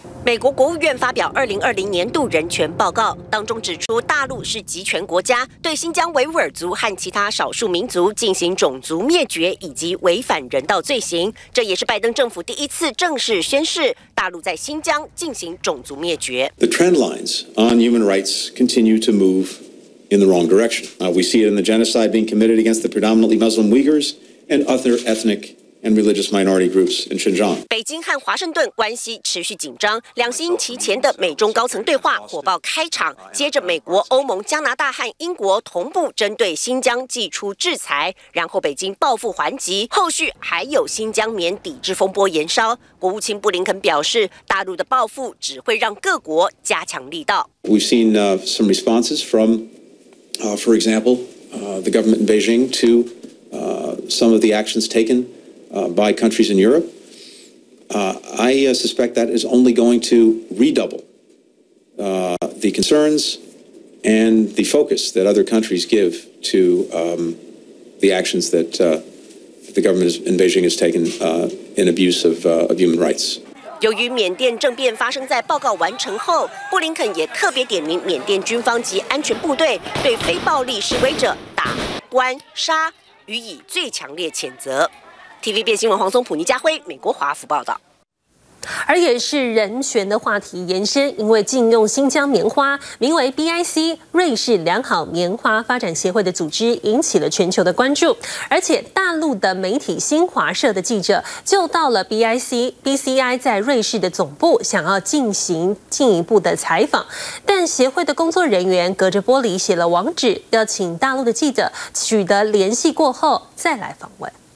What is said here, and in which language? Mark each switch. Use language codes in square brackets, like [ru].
[zh] 美国国务院发表2020年度人权报告，当中指出大陆是极权国家，对新疆维吾尔族和其他少数民族进行种族灭绝以及违反人道罪行。这也是拜登政府第一次正式宣示大陆在新疆进行种族灭绝。 [en] The trend lines on human rights continue to move in the wrong direction. We see it in the genocide being committed against the predominantly Muslim Uyghurs and other ethnic and religious minority groups in Xinjiang. [zh] 北京和华盛顿关系持续紧张，两星期前的美中高层对话火爆开场，接着美国、欧盟、加拿大和英国同步针对新疆祭出制裁，然后北京报复还击，后续还有新疆棉抵制风波延烧。国务卿布林肯表示，大陆的报复只会让各国加强力道。 [en] We've seen some responses from, for example, the government in Beijing to some of the actions taken. By countries in Europe, I suspect that is only going to redouble the concerns and the focus that other countries give to the actions that the government in Beijing has taken in abuse of human rights. [zh] 由于缅甸政变发生在报告完成后，布林肯也特别点名缅甸军方及安全部队对非暴力示威者打、关、杀予以最强烈谴责。 TVBS 新闻黄松普尼佳辉美国华府报道。而也是人权的话题延伸，因为禁用新疆棉花，名为 BIC 瑞士良好棉花发展协会的组织引起了全球的关注，而且大陆的媒体新华社的记者就到了 BCI 在瑞士的总部，想要进行进一步的采访，但协会的工作人员隔着玻璃写了网址，要请大陆的记者取得联系过后再来访问。